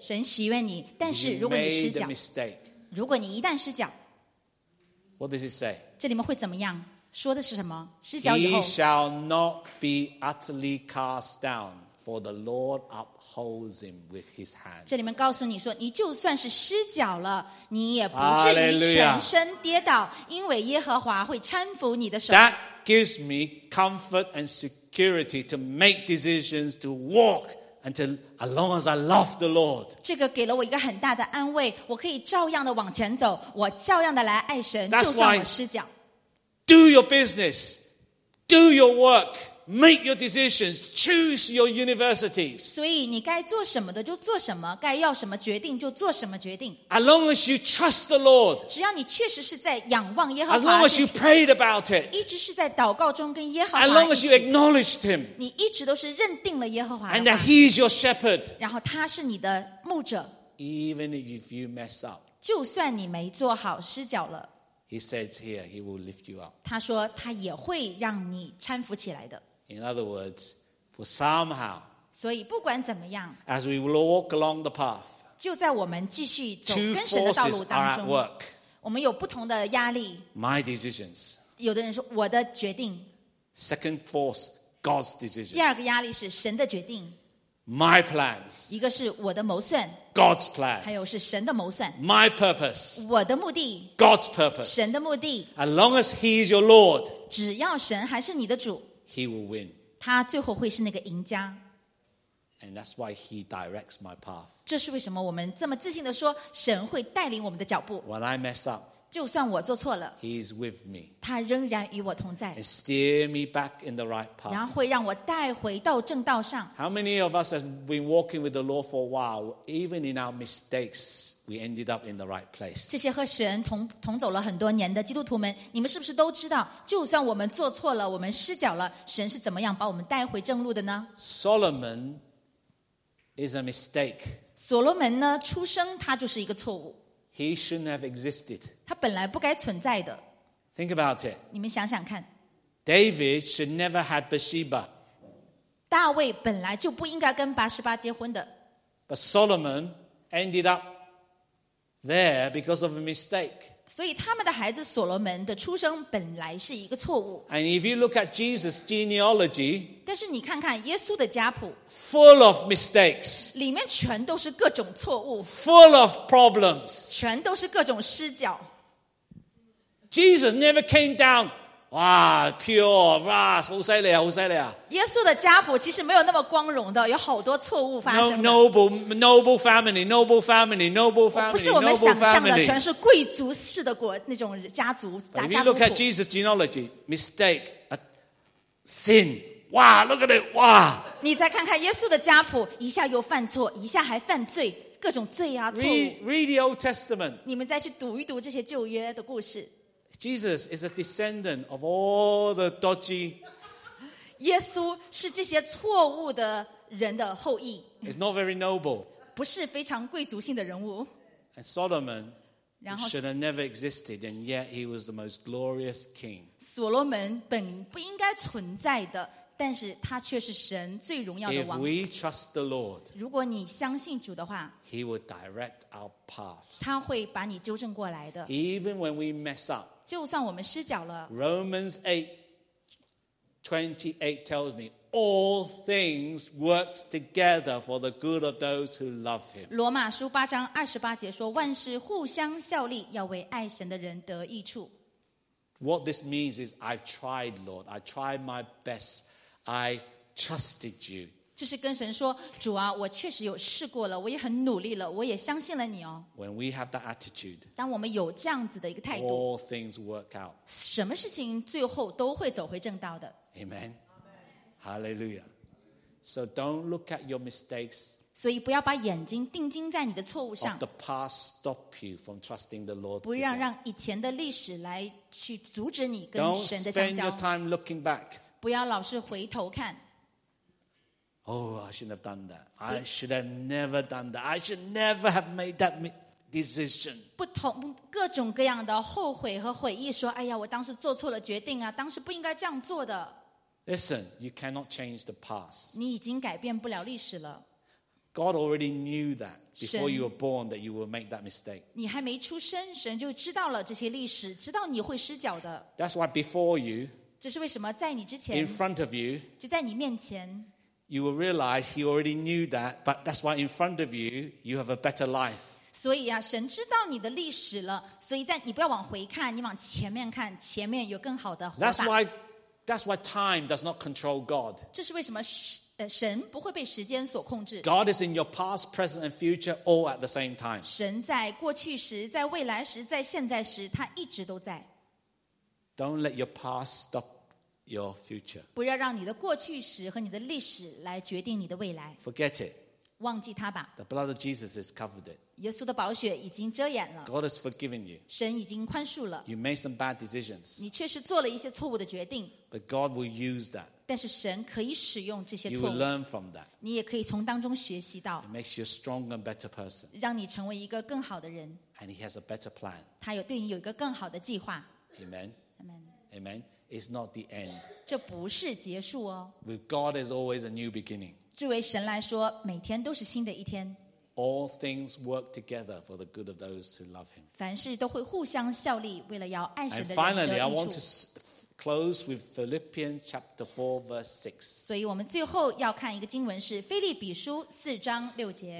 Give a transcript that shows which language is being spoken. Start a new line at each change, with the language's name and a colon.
Chinese: 神喜悦你，但是如果你失脚。如果你一旦失脚
English: What does it say?
Chinese: 这里面会怎么样说的是什么失脚以后
English: He shall not be utterly cast down For the Lord upholds him with his hand
Chinese: 这里面告诉你说你就算是失脚了你也不至于全身跌倒、
English: Hallelujah.
Chinese: 因为耶和华会搀扶你的手
English: That gives me comfort and security To make decisions to walk Until as long as I love the Lord,
Chinese: 这个给了我一个很大的安慰，我可以照样的往前走，我照样的来爱神，就算我失脚。
English: Do your business, do your work, make your decisions, choose your universities.
Chinese: 所以你该做什么的就做什么，该要什么决定就做什么决定。
English: As long as you trust the Lord,
Chinese: 只要你确实是在仰望耶和华。
English: As long as you prayed about it,
Chinese: 一直是在祷告中跟耶和华。
English: As long as you acknowledged Him,
Chinese: 你一直都是认定了耶和华。
English: And that He is your shepherd,
Chinese: 然后他是你的牧者。
English: Even if you mess up,
Chinese: 就算你没做好失脚了。
English: He says here, He will lift you up.
Chinese: 他说他也会让你搀扶起来的。
English: In other words, for somehow,
Chinese: 所以不管怎么样
English: as we walk along the path,
Chinese: 就在我们继续走跟神的道路当中
English: work,
Chinese: 我们有不同的压力
English: my decisions,
Chinese: 有的人说我的决定
English: second force, God's decisions,
Chinese: 第二个压力是神的决定
English: my plans,
Chinese: 一个是我的谋算
English: God's plans,
Chinese: 还有是神的谋算
English: my purpose,
Chinese: 我的目的
English: God's purpose,
Chinese: 神的目的
English: as long as He is your Lord,
Chinese: 只要神还是你的主
English: He will win.
Chinese: 他最后会是那个赢家。
English: And that's why He directs my path.
Chinese: 这是为什么我们这么自信地说神会带领我们的脚步。
English: When I mess up,
Chinese: 就算我做错了
English: He is with me.
Chinese: 他仍然与我同在
English: And steer me back in the right path.
Chinese: 然后会让我带回到正道上
English: How many of us have been walking with the Lord for a while? Even in our mistakes, we ended up in the right place.
Chinese: 这些和神 同走了很多年的基督徒们你们是不是都知道就算我们做错了我们失脚了神是怎么样把我们带回正路的呢
English: Solomon is a mistake.
Chinese: 所罗门呢出生他就是一个错误
English: He shouldn't have existed.
Chinese: 他本来不该存在的。
English: Think about it.
Chinese: 你们想想看。
English: David should never have Bathsheba.
Chinese: 大卫本来就不应该跟拔示巴结婚的。
English: But Solomon ended up there because of a mistake.
Chinese: 所以他们的孩子所罗门的出生本来是一个错误。
English: And if you look at Jesus' genealogy,
Chinese: 但是你看看耶稣的家谱。
English: Full of mistakes.
Chinese: 里面全都是各种错误。
English: Full of problems.
Chinese: 全都是各种失脚。
English: Jesus never came down. Wow, pure, wow,
Chinese: 好犀利啊，好犀利啊。耶稣的家谱其实没有那么光荣的，有好多错误发生。
English: Noble family.
Chinese: 不是我们想象的，全是贵族式的国那种家族。
English: But if you look at Jesus' genealogy, mistake, sin. Wow, look at it. Wow.
Chinese: 你再看看耶稣的家谱，一下又犯错，一下还犯罪，各种罪啊，错误。
English: Read the Old Testament.
Chinese: 你们再去读一读这些旧约的故事。
English: Jesus is a descendant of all the dodgy.
Chinese: 耶稣是这些错误的人的后裔。
English: It's not very noble.
Chinese: 不是非常贵族性的人物。
English: And Solomon should have never existed, and yet he was the most glorious king.
Chinese: 所罗门本不应该存在的，但是他却是神最荣耀的王。
English: If we trust the Lord,
Chinese: 如果你相信主的话
English: he will direct our paths.
Chinese: 他会把你纠正过来的。
English: Even when we mess up.
Chinese: 就算我们失脚了
English: Romans 8:28 tells me all things work together for the good of those who love him
Chinese: 罗马书八章二十八节说万事互相效力要为爱神的人得益处
English: What this means is I've tried Lord I tried my best I trusted you
Chinese: 这是跟神说主啊我确实有试过了我也很努力了我也相信了你哦
English: When we have that attitude
Chinese: 当我们有这样子的一个态度
English: All things work out
Chinese: 什么事情最后都会走回正道的
English: Amen Hallelujah So don't look at your mistakes
Chinese: 所以不要把眼睛定睛在你的错误上
English: Of the past stop you from trusting the Lord
Chinese: 不要让以前的历史来去阻止你跟神的相交
English: Don't spend your time looking back
Chinese: 不要老是回头看
English: Oh, I shouldn't have done that. I should have never done that. I should never have made that decision.
Chinese: 不同各种各样的后悔和悔意说哎呀我当时做错了决定啊当时不应该这样做的。
English: Listen, you cannot change the past.
Chinese: 你已经改变不了历史了。
English: God already knew that before you were born that you would make that mistake.
Chinese: 你还没出生神就知道了这些历史知道你会失脚的。
English: That's why before you,
Chinese: 这是为什么在你之前
English: in front of you,
Chinese: 就在你面前
English: You will realize he already knew that, but that's why in front of you, you have a better life.
Chinese: 所以啊，神知道你的历史了，所以在你不要往回看，你往前面看，前面有更好的活法。
English: That's why time does not control God.
Chinese: 这是为什么神不会被时间所控制。
English: God is in your past, present, and future all at the same time.
Chinese: 神在过去时，在未来时，在现在时，他一直都在。
English: Don't let your past stop. Your future.
Chinese: 不要让你的过去时和你的历史来决定你的未来。
English: Forget it.
Chinese: 忘记它吧。
English: The blood of Jesus has covered it.
Chinese: 耶稣的宝血已经遮掩了。
English: God has forgiven you.
Chinese: 神已经宽恕了。
English: You made some bad decisions.
Chinese: 你确实做了一些错误的决定。
English: But God will use that.
Chinese: 但是神可以使用这些错误。
English: You will learn from that.
Chinese: 你也可以从当中学习到。
English: It makes you a stronger and better person.
Chinese: 让你成为一个更好的人。
English: And He has a better plan.
Chinese: 他有对你有一个更好的计划。
English: Amen. Amen. Amen. Is not the end.
Chinese: 这不是结束哦。
English: With God is always a new beginning.
Chinese: 作为神来说，每天都是新的一天。
English: All things work together for the good of those who love Him.
Chinese: 凡事都会互相效力，为了要爱神的人得益处。
English: And finally, I want to close with Philippians chapter 4, verse 6.
Chinese: 所以我们最后要看一个经文是《腓立比书》四章六节。